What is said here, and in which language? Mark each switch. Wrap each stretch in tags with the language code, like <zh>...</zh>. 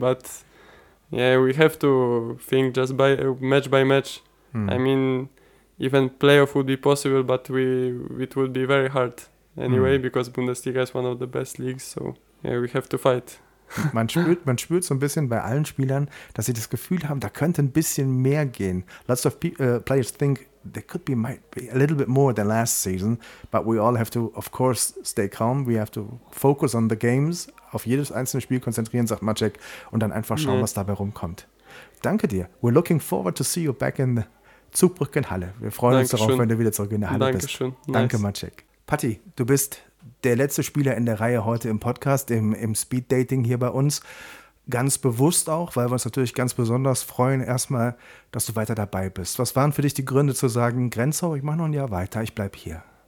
<en>But yeah, we have to think just by match. I mean, even playoff would be possible, but it would be very hard anyway because Bundesliga is one of the best leagues. So yeah, we have to fight.</en> <de>Man spürt so ein bisschen bei allen Spielern, dass sie das Gefühl haben, da könnte ein bisschen mehr gehen.</de> <en>Lots of players think there might be a little bit more than last season, but we all have to, of course, stay calm. We have to focus on the games,</en> <de>auf jedes einzelne Spiel konzentrieren, sagt Maček, und dann einfach schauen, was dabei rumkommt. Danke dir.</de> <en>We're looking forward to see you back in Zugbrückenhalle.</en> <de>Wir freuen uns darauf, wenn du wieder zurück in der Halle bist. Danke, Maček. Patty, du bist der letzte Spieler in der Reihe heute im Podcast, im Speed-Dating hier bei uns. Ganz bewusst auch, weil wir uns natürlich ganz besonders freuen, erstmal, dass du weiter dabei bist. Was waren für dich die Gründe zu sagen, Grenzau, ich mache noch ein Jahr weiter, ich bleibe hier?</de>